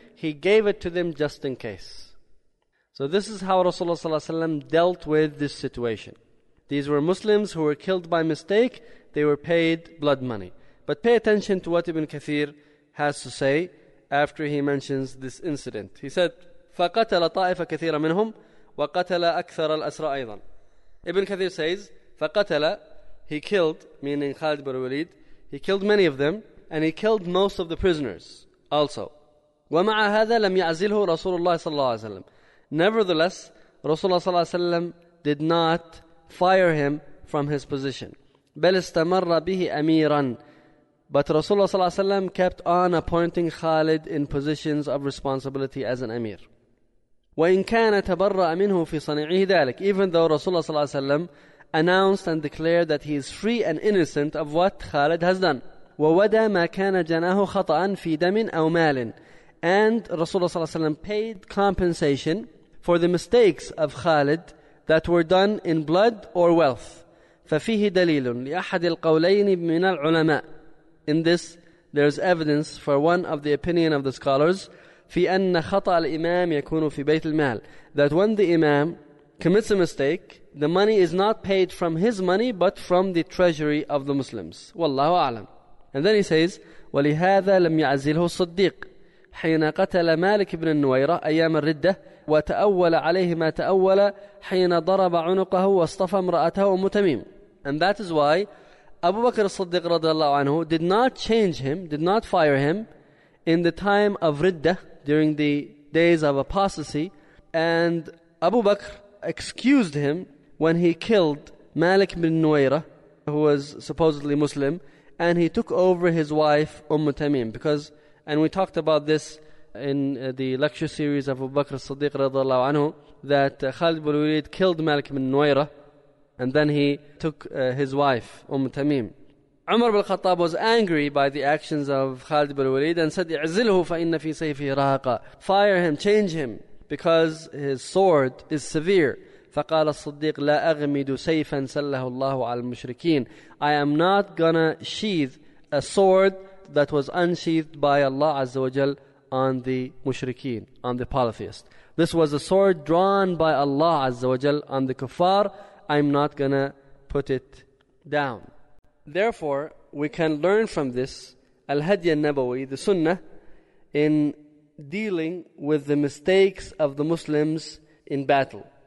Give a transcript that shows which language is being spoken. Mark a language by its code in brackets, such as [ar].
[en] He gave it to them just in case. So this is how Rasulullah sallallahu alaihi wasallam dealt with this situation. These were Muslims who were killed by mistake. They were paid blood money. But pay attention to what Ibn Kathir has to say after he mentions this incident. He said, [ar] فقتل طائفة كثيرة منهم وقتل أكثر الأسرى أيضا. [en] ابن كثير says فقتل, he killed, meaning Khalid ibn Walid, he killed many of them and he killed most of the prisoners also. [ar] ومع هذا لم يعزله رسول الله صلى الله عليه وسلم. [en] Nevertheless, رسول الله صلى الله عليه وسلم did not fire him from his position. [ar] بل استمر به أميرا. [en] But رسول الله صلى الله عليه وسلم kept on appointing Khalid in positions of responsibility as an أمير. [ar] وإن كان تبرأ منه في صنيعه ذلك. [en] Even though رسول الله صلى الله عليه وسلم announced and declared that he is free and innocent of what Khalid has done. [ar] وودى ما كان جناه خطأ في دم أو مال. [en] And رسول الله صلى الله عليه وسلم paid compensation for the mistakes of Khalid that were done in blood or wealth. [ar] ففيه دليل لأحد القولين من العلماء. [en] In this, there is evidence for one of the opinion of the scholars [ar] في أن خطأ الإمام يكون في بيت المال. [en] That when the imam commits a mistake, the money is not paid from his money but from the treasury of the Muslims. [ar] والله أعلم. [en] And then he says, [ar] ولهذا لم يعزله الصديق حين قتل مالك بن النويرة أيام الردة وتأول عليه ما تأول حين ضرب عنقه واصطفى امرأته أم تميم. [en] And that is why Abu Bakr al-Siddiq رضي الله عنه did not change him, did not fire him in the time of Riddah, during the days of apostasy, and Abu Bakr excused him when he killed Malik bin Nuwayra, who was supposedly Muslim, and he took over his wife Umm Tamim. Because, and we talked about this in the lecture series of Abu Bakr al-Siddiq رضي الله عنه, that Khalid bin Walid killed Malik bin Nuwayra and then he took his wife, Umm Tamim. Umar bin Khattab was angry by the actions of Khalid bin Walid and said, [ar] "I'zilhu fa inna fi sayfi rahaqa." [en] Fire him, change him, because his sword is severe. [ar] فقال الصديق لا أغمد سيفا سله الله على المشركين. [en] I am not gonna sheath a sword that was unsheathed by Allah Azza wa Jal on the mushrikeen, on the polytheist. This was a sword drawn by Allah Azza wa Jal on the kuffar. I'm not gonna put it down. Therefore, we can learn from this al-hadi al-nabawi, the sunnah, in dealing with the mistakes of the Muslims in battle.